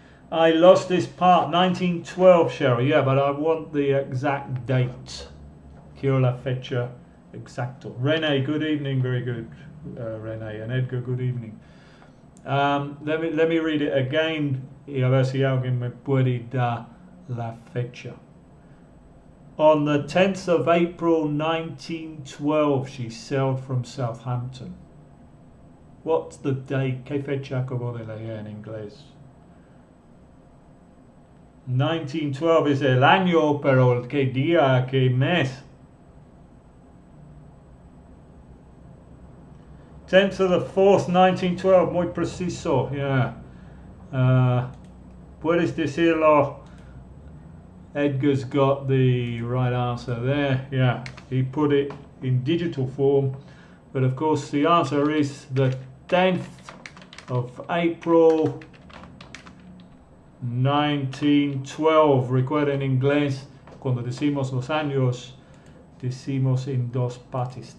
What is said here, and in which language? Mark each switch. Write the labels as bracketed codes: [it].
[en] I lost this part, 1912, Cheryl. Yeah, but I want the exact date. [es] Quiero la fecha exacto. René, [en] good evening. Very good, René. And Edgar, good evening. Let me read it again. [es] Y a ver si alguien me puede dar la fecha. [en] On the 10th of April 1912, she sailed from Southampton. What's the date? [es] ¿Qué fecha acabo de leer en inglés? 1912 is el año, pero ¿qué día, qué mes? [en] 10th of the 4th, 1912, [es] muy preciso, [en] yeah. [es] Puedes decirlo. [en] Edgar's got the right answer there. Yeah, he put it in digital form. But of course, the answer is the 10th of April 1912. [es] Recuerda en inglés, cuando decimos los años, decimos en dos partes.